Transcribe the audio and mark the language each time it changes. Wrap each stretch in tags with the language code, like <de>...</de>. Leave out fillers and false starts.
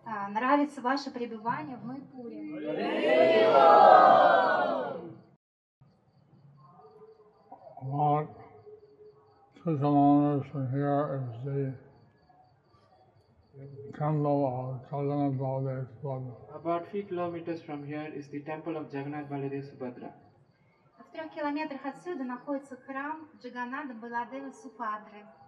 <ru>Нравится ваше пребывание в Майпуре.</ru> <en>What 2 kilometers from here is the temple of Jagannath Baladev Subhadra. About 3 kilometers from here is the temple of Jagannath Baladev Subhadra.</en> <ru>А в 3 километрах отсюда находится храм Джаганнатха Баладева Субхадры.</ru>